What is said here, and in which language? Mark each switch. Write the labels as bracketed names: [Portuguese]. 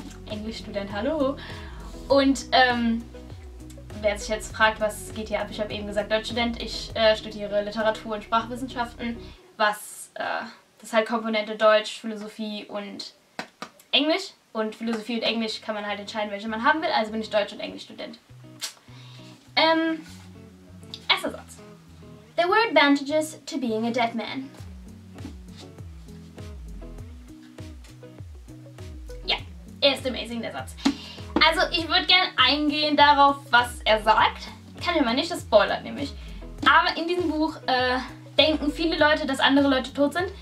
[German] Englischstudent, hallo. Und wer sich jetzt fragt, was geht hier ab, ich habe eben gesagt Deutschstudent. Ich studiere Literatur und Sprachwissenschaften, was das ist halt Komponente Deutsch, Philosophie und Englisch. Und Philosophie und Englisch kann man halt entscheiden, welche man haben will. Also bin ich Deutsch- und Englischstudent. Erster Satz. [English] There were advantages to being a dead man. [German] Ja, er ist amazing, der Satz. Also ich würde gerne eingehen darauf, was er sagt. Kann ich aber nicht, das spoilert nämlich. Aber in diesem Buch denken viele Leute, dass andere Leute tot sind.